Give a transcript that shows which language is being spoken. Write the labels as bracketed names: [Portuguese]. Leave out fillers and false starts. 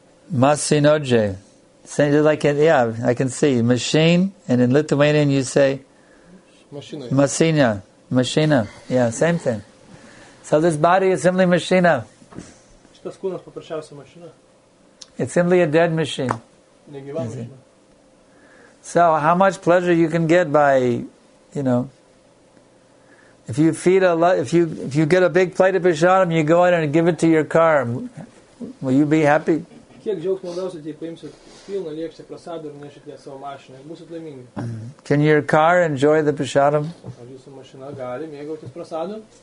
[English] Masinodje. Same like it, yeah, I can see. Machine, and in Lithuanian you say? [Lithuanian] Masinia. [English] Mašina. Yeah, same thing. So this body is simply mašina. [Lithuanian] Tas kūnas paprasčiausia mašina. [English] It's simply a dead machine. [Lithuanian] Negyva mašina. [English] So how much pleasure you can get by, you know, if you feed a lot, if you get a big plate of bishanam, you go in and give it to your car, will you be happy? [Lithuanian] Kiek džiaugsmo gausit, jei paimsit pilną lėkštę prasadų ir nešit ją savo mašiną, būsit laimingi. [English] Can your car enjoy the bishanam? [Lithuanian] Ar jūsų mašina gali mėgautis prasadų?